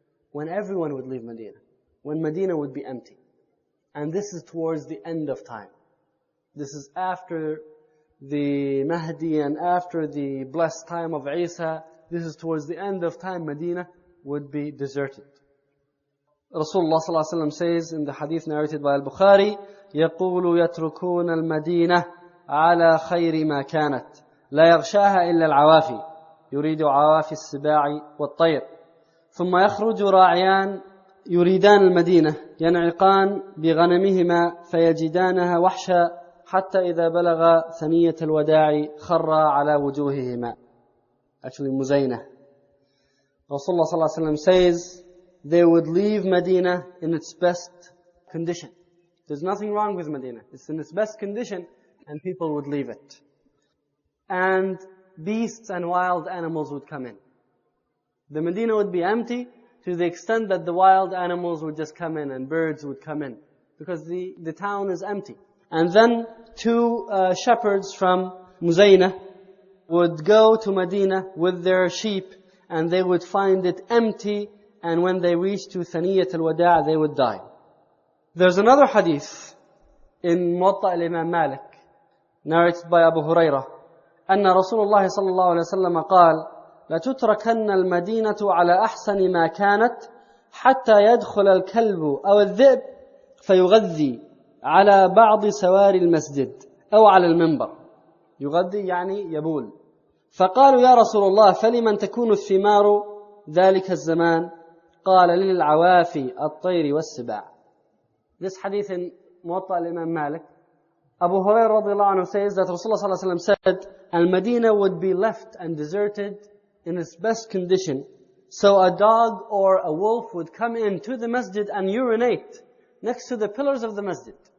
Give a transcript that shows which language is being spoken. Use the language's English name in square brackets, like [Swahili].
[English] When everyone would leave Medina. When Medina would be empty. And this is towards the end of time. This is after the Mahdi and after the blessed time of Isa. This is towards the end of time Medina would be deserted. Rasulullah صلى الله عليه وسلم says in the hadith narrated by Al-Bukhari, [Arabic] يقول يتركون المدينة على خير ما كانت لا يغشاها إلا العوافي يريد عوافي السباع والطير ثم يخرج راعيان يريدان المدينة ينعقان بغنمهما فيجدانها وحشا حتى إذا بلغ ثنية الوداع خر على وجوههما. [English] Actually مزينة. Rasulullah صلى الله عليه وسلم says they would leave Medina in its best condition. There's nothing wrong with Medina. It's in its best condition and people would leave it. And beasts and wild animals would come in. The Medina would be empty to the extent that the wild animals would just come in and birds would come in. Because the town is empty. And then two shepherds from Muzayna would go to Medina with their sheep and they would find it empty, and when they reached to Thaniyat al-Wada' they would die. There's another hadith in Muwatta al-Imam Malik narrated by Abu Huraira, [Arabic] أن رسول الله صلى الله عليه وسلم قال لتتركن المدينة على أحسن ما كانت حتى يدخل الكلب أو الذئب فيغذي على بعض سوار المسجد أو على المنبر. يغذي يعني يبول. فقالوا يا رسول الله فلمن تكون الثمار ذلك الزمان قال للعوافي الطير والسباع. [English] This hadith in Muwatta al-Imam Malik, Abu Hurairah radiallahu anhu says that Rasulullah sallallahu alayhi wa sallam said, Al-Madinah would be left and deserted in its best condition. So a dog or a wolf would come into the masjid and urinate next to the pillars of the masjid.